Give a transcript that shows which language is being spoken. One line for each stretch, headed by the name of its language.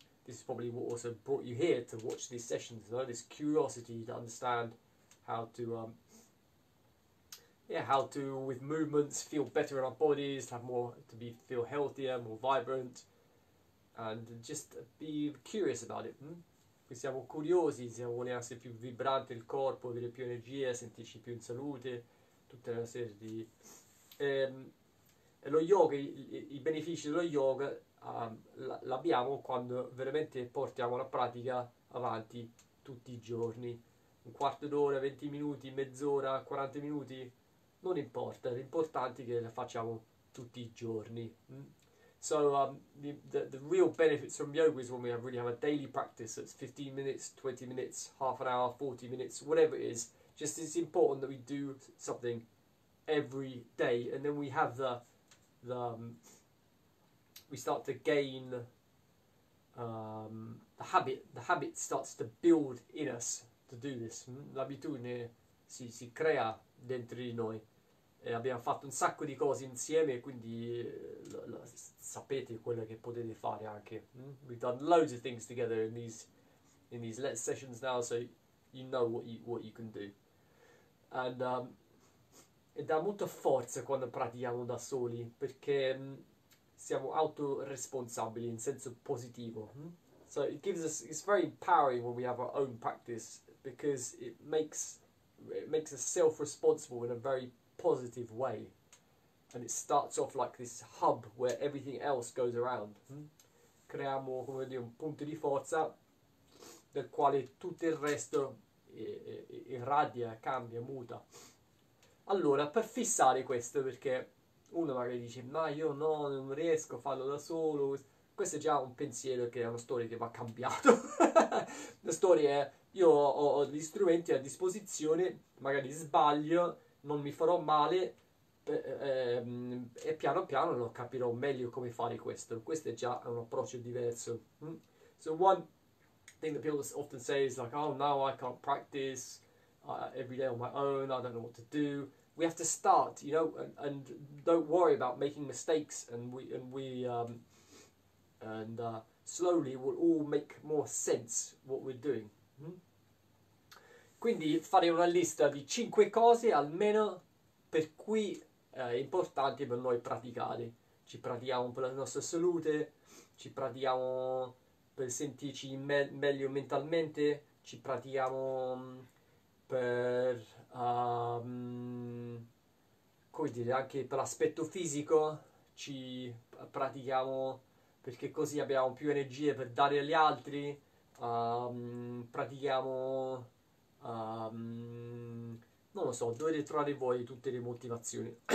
English: This is probably what also brought you here to watch these sessions, no? This curiosity to understand how to, with movements, feel better in our bodies, to have more, to be, feel healthier, more vibrant, and just be curious about it.
Italian: Siamo curiosi, siamo vogliamo essere più vibrante il corpo, avere più energia, sentirci più in salute, tutta una serie di. E lo yoga, i benefici dello yoga l'abbiamo quando veramente portiamo la pratica avanti tutti i giorni. Un quarto d'ora, 20 minuti, mezz'ora, 40 minuti, non importa, l'importante è che la facciamo tutti i giorni.
English: So the real benefits from yoga is when we really have a daily practice that's 15 minutes, 20 minutes, half an hour, 40 minutes, whatever it is. Just it's important that we do something every day, and then we have we start to gain the habit. The habit starts to build in us to do this.
Italian: L'abitudine si crea dentro di noi. E abbiamo fatto un sacco di cose insieme, quindi sapete quello che potete fare anche.
English: We've done loads of things together in these less sessions now, so what you can do.
Italian: E dà molta forza quando pratichiamo da soli, perché siamo autoresponsabili in senso positivo.
English: So it's very empowering when we have our own practice, because it makes us self-responsible in a very positive way, and it starts off like this hub where everything else goes around.
Italian: Creiamo, come dire, un punto di forza del quale tutto il resto irradia, cambia, muta. Allora, per fissare questo, perché uno magari dice: ma io no, non riesco a farlo da solo. Questo è già un pensiero, che è una storia che va cambiato. La storia è: io ho gli strumenti a disposizione, magari sbaglio, non mi farò male, E piano piano lo capirò meglio come fare questo. Questo è già un approccio diverso.
English: So one thing that people often say is like, oh no, I can't practice every day on my own, I don't know what to do. We have to start, you know, and don't worry about making mistakes, and slowly we'll all make more sense what we're doing.
Italian: Quindi fare una lista di 5 cose almeno per cui è importante per noi praticare. Ci pratichiamo per la nostra salute, ci pratichiamo per sentirci meglio mentalmente, ci pratichiamo come dire, anche per l'aspetto fisico, ci pratichiamo perché così abbiamo più energie per dare agli altri, pratichiamo, non lo so, dovete trovare voi tutte le motivazioni.